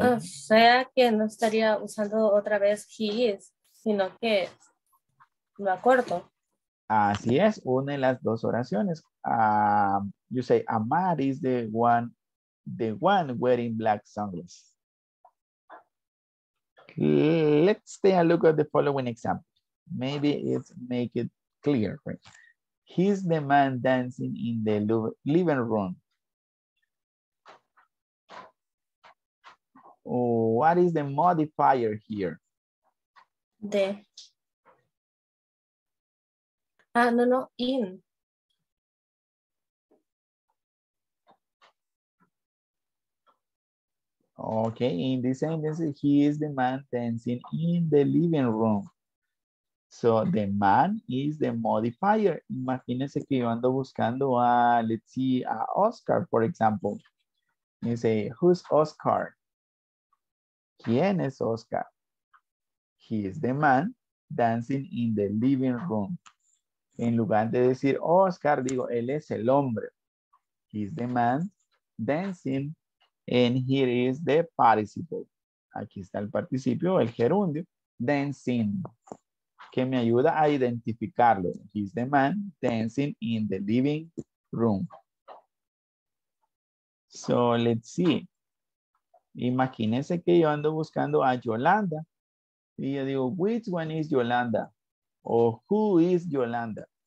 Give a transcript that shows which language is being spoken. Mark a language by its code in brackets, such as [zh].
[es] O sea que no estaría usando otra vez [en] he is, [es] sino que lo acorto. Así es, une las dos oraciones. [en] You say, Amar is the one wearing black sunglasses. Let's take a look at the following example. Maybe it's make it clear. Right? He's the man dancing in the living room. What is the modifier here? The. In. Oh, Okay, in this sentence, he is the man dancing in the living room. So the man is the modifier. [es] Imagínense que yo ando buscando a, [en] let's see, a Oscar, for example. You say, who's Oscar? [es] ¿Quién es Oscar? [en] He is the man dancing in the living room. [es] En lugar de decir Oscar, digo, él es el hombre. [en] He's the man dancing, and here is the participle. [es] Aquí está el participio, el gerundio, dancing, que me ayuda a identificarlo. [en] He's the man dancing in the living room. So let's see. [es] Imagínense que yo ando buscando a Yolanda. Y yo digo, [en] which one is Yolanda? O who is Yolanda?